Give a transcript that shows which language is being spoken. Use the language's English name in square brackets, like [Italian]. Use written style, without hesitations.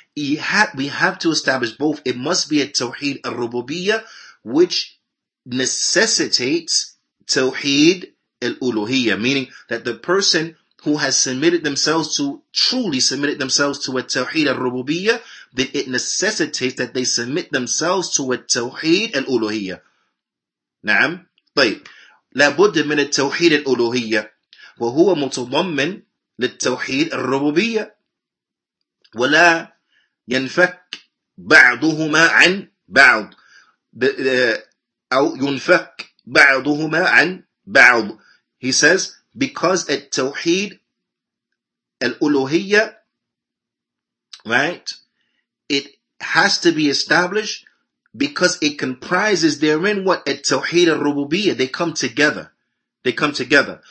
[English] We have to establish both. It must be a Tawheed Ar-Rububiyyah, which necessitates Tawheed Al-Uluhiyyah. Meaning that the person who has truly submitted themselves to a Tawheed Ar-Rububiyyah, then it necessitates that they submit themselves to a Tawheed Al-Uluhiyyah. [Arabic] Naam. طيب. لابد من التوحيد الألوهية. وهو متضمن للتوحيد الربوبية. ولا ينفك بعضهما عن بعض أو ينفك بعضهما عن بعض. [English] He says, because التوحيد الألوهية, right, it has to be established because it comprises therein what? At-Tawheed Ar-Rububiyyah. They come together. They come together.